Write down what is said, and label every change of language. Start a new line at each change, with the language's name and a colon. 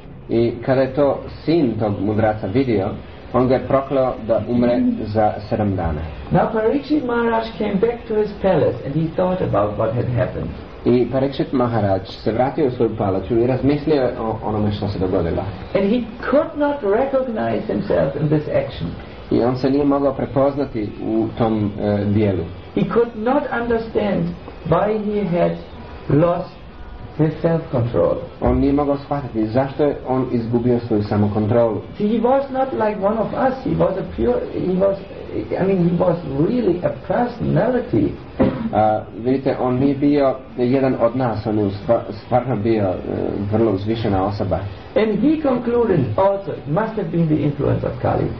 Croatian: I kada je to sin tog mudraca vidio, on ga je prokleo da umre za 7 dana.
English: Now Parikshit Maharaj came back to his palace and he thought about what had happened.
Croatian: I Parikshit Maharaj se vratio u svoju palaču i razmislio o onome što se dogodilo.
English: And he could not recognize himself in this action.
Croatian: I on se nije mogao prepoznati u tom dijelu.
English: He could not understand why he had lost his self-control.
Croatian: On nije mogao shvatiti zašto je on izgubio svoju samokontrolu.
English: See, he was not like one of us. He was a pure, he was, I mean, he was really a personality.
Croatian: Vidite, on nije bio jedan od nas, on je stvarno bio vrlo uzvišena osoba.
English: And he concluded also it must have been the influence of Kali.